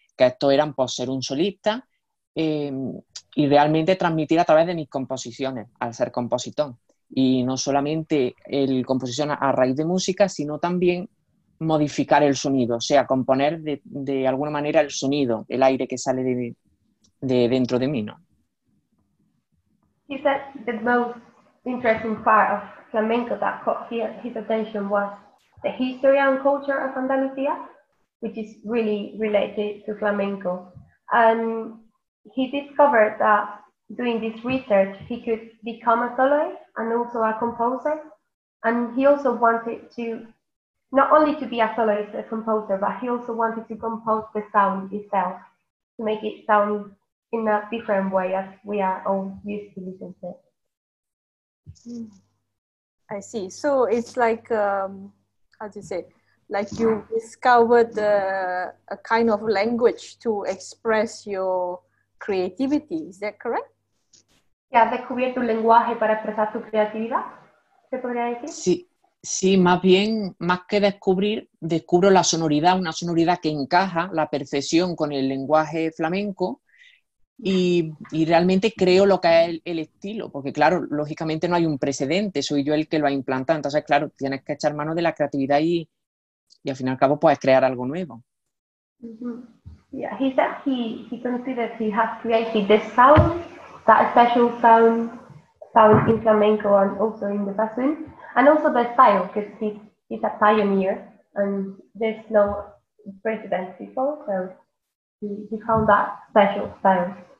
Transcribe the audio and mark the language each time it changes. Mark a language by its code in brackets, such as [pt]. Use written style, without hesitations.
[es] Que estos eran pues, ser un solista y realmente transmitir a través de mis composiciones, al ser compositor. Y no solamente el composición a raíz de música, sino también modificar el sonido, o sea, componer de alguna manera el sonido, el aire que sale de dentro de mí, ¿no? [en] He said the most interesting part of flamenco that caught his attention was the history and culture of Andalucía, which is really related to flamenco. And he discovered that doing this research, he could become a soloist and also a composer. And he also wanted to, not only to be a soloist, a composer, but he also wanted to compose the sound itself, to make it sound in a different way as we are all used to listen to it. I see. So it's like, how to say, like you discovered a kind of language to express your creativity, is that correct? [es] Ya has descubierto un lenguaje para expresar tu creatividad, ¿se podría decir? Sí, más bien, más que descubrir, descubro la sonoridad, una sonoridad que encaja la perfección con el lenguaje flamenco y realmente creo lo que es el estilo, porque claro, lógicamente no hay un precedente, soy yo el que lo ha implantado, entonces claro, tienes que echar mano de la creatividad y al fin y al cabo puedes crear algo nuevo. Mm-hmm. [en] Yeah, he said he considers he has created the sound, that special sound in flamenco and also in the bassoon, and also the style, because he's a pioneer and there's no precedent before, so he found that special style.